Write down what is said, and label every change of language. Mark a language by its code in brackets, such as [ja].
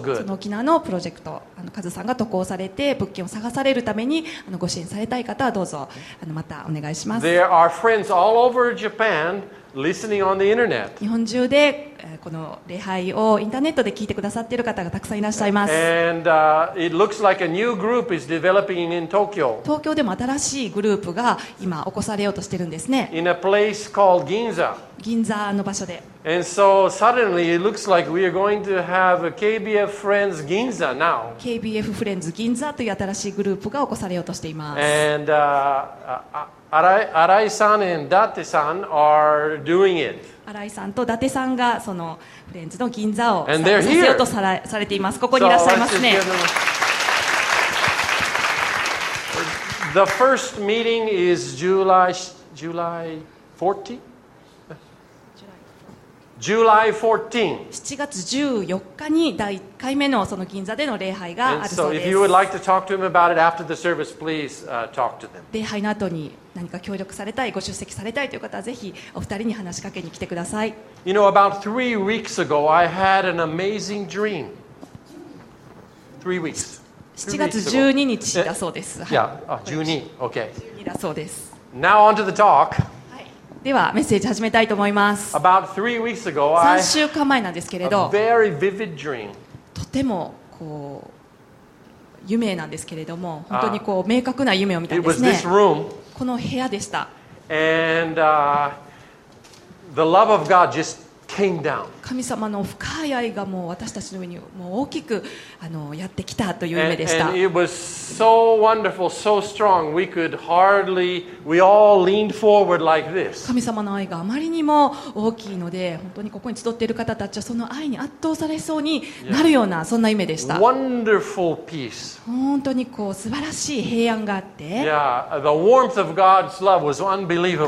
[ja] 沖縄のプロジェクト、カズさんが渡航されて物件を探されるためにご支援されたい方はどうぞまたお願いします。 [en] There are friends all over Japan listening on the internet. [ja] 日本中でこの礼拝をインターネットで聞いてくださっている方がたくさんいらっしゃいます。 [en] And, it looks like a new group is developing in Tokyo. [ja] 東京でも新しいグループが今起こされようとしているんですね。 [en] In a place called Ginza. [ja] 銀座の場所で。 [en] And so suddenly it looks like we are going to have a KBF Friends Ginza now. [ja] KBF Friends Ginza という新しいグループが起こされようとしています。 [en] And, Arai-san and Date-san are doing it. [ja] Arai さんと伊達さんがそのフレンズの銀座をさせようとされています。ここにいらっしゃいますね。 [en] The first meeting is July 14? July 14. [ja] 7月14日に第1回目のその銀座での礼拝があるそうです。 [en] And so if you would like to talk to him about it after the service, please, talk to them. [ja] 礼拝の後に何か協力されたい、ご出席されたいという方はぜひお二人に話しかけに来てください。 [en] You know, about 3 weeks ago, I had an amazing dream. 3 weeks. [ja] 7月12日だそうです。 [en] Yeah, 12, okay. [ja] 12だそうです。 [en] Now on to the talk. [ja] ではメッセージ始めたいと思います。 [en] About 3 weeks ago, I had [ja] 3週間前なんですけれど、 [en] a very vivid dream. [ja] とてもこう夢なんですけれども、本当にこう明確な夢を見たんですね。 [en] It was this room. [ja] この部屋でした。 [en] And, the love of God just came down. [ja] 神様の深い愛がもう私たちの上にもう大きくやってきたという夢でした。 [en] and it was so wonderful, so strong, we could hardly, we all leaned forward like this. [ja] 神様の愛があまりにも大きいので本当にここに集っている方たちはその愛に圧倒されそうになるような、 [en] yeah. [ja] そんな夢でした。 [en] Wonderful peace. [ja] 本当にこう素晴らしい平安があって、 [en] Yeah, the warmth of God's love was unbelievable.